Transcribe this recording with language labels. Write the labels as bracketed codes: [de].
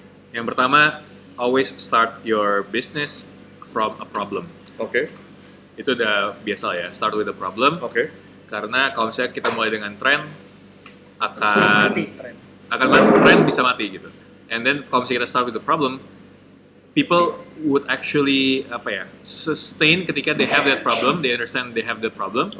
[id] Yang pertama, [en] always start your business from a problem. Okay. [id] Itu udah biasa ya, [en] start with a problem. Okay. [id] Karena kalau misalnya kita mulai dengan tren akan mati, bisa mati gitu. [en] And then [id] kalau misalnya kita [en] start with the problem, people would actually sustain [id] ketika [en] they have that problem, they understand they have that problem.